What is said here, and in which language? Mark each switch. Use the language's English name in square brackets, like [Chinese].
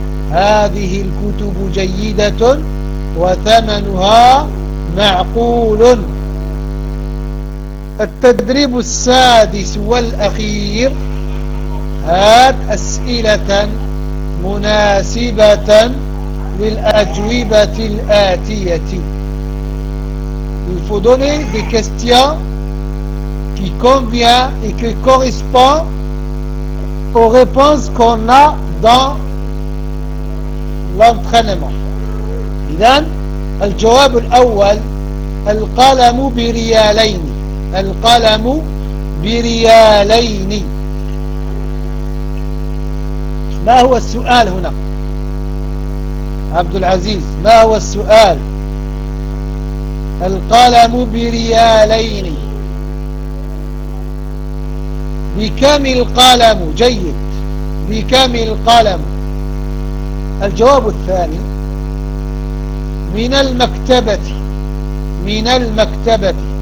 [Arabic] هذه الكتب جيدة وثمنها معقول. التدريب السادس والأخير، هات أسئلة مناسبة للأجوبة الآتية. [French] Il faut donner des questions qui conviennent et qui correspondent aux réponses qu'on a dans l'entraînement. [Arabic] إذن الجواب الأول، القلم بريالين، القلم بريالين. ما هو السؤال هنا عبد العزيز؟ ما هو السؤال؟ القلم بريالين، بكم القلم؟ جيد، بكم القلم؟ الجواب الثاني، من المكتبة، من المكتبة.